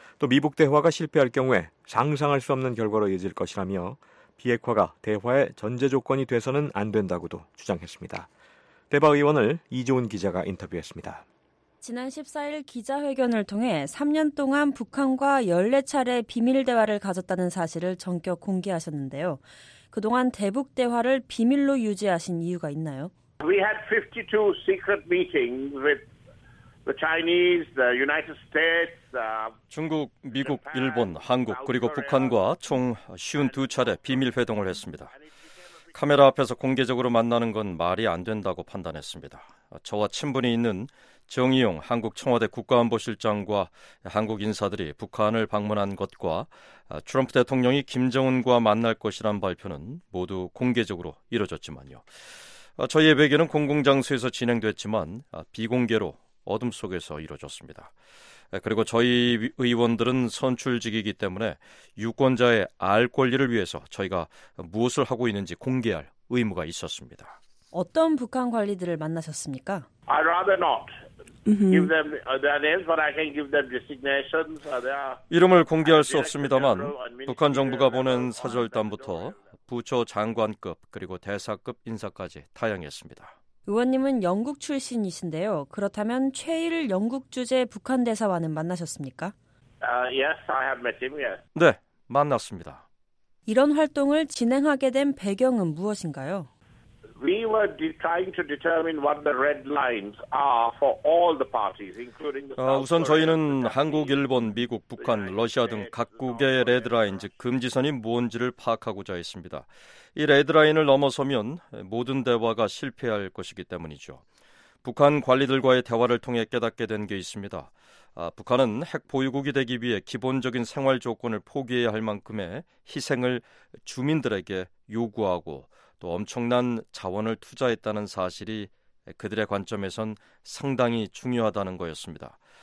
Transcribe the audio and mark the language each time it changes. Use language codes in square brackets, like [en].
[ko] 또 미북 대화가 실패할 경우에 상상할 수 없는 결과로 이어질 것이라며 비핵화가 대화의 전제 조건이 돼서는 안 된다고도 주장했습니다. 대바 의원을 이재훈 기자가 인터뷰했습니다. 지난 14일 기자회견을 통해 3년 동안 북한과 14차례 비밀 대화를 가졌다는 사실을 전격 공개하셨는데요. 그동안 대북 대화를 비밀로 유지하신 이유가 있나요? [en] We had 52 secret meetings with the Chinese, the United States, [ko] 중국, 미국, 일본, 한국 그리고 북한과 총 52차례 비밀 회동을 했습니다. 카메라 앞에서 공개적으로 만나는 건 말이 안 된다고 판단했습니다. 저와 친분이 있는 정의용 한국 청와대 국가안보실장과 한국 인사들이 북한을 방문한 것과 트럼프 대통령이 김정은과 만날 것이란 발표는 모두 공개적으로 이뤄졌지만요. 저희의 외교는 공공장소에서 진행됐지만 비공개로 어둠 속에서 이루어졌습니다. 그리고 저희 의원들은 선출직이기 때문에 유권자의 알 권리를 위해서 저희가 무엇을 하고 있는지 공개할 의무가 있었습니다. 어떤 북한 관리들을 만나셨습니까? [en] I'd rather not give them their names, but I can give them designations. [ko] 이름을 공개할 수 없습니다만 북한 정부가 보낸 사절단부터 부처 장관급 그리고 대사급 인사까지 다양했습니다. 의원님은 영국 출신이신데요. 그렇다면 최일 영국 주재 북한 대사와는 만나셨습니까? [en] Yes, I have met him, yes. [ko] 네, 만났습니다. 이런 활동을 진행하게 된 배경은 무엇인가요? [en] We were trying to determine what the red lines are for all the parties, including the. [ko] 우선 저희는 한국, 일본, 미국, 북한, 러시아 등 각국의 레드라인, 즉 금지선이 무언지를 파악하고자 했습니다. 이 레드라인을 넘어서면 모든 대화가 실패할 것이기 때문이죠. 북한 관리들과의 대화를 통해 깨닫게 된 게 있습니다. 북한은 핵 보유국이 되기 위해 기본적인 생활 조건을 포기해야 할 만큼의 희생을 주민들에게 요구하고 또 엄청난 자원을 투자했다는 사실이 그들의 관점에선 상당히 중요하다는 거였습니다.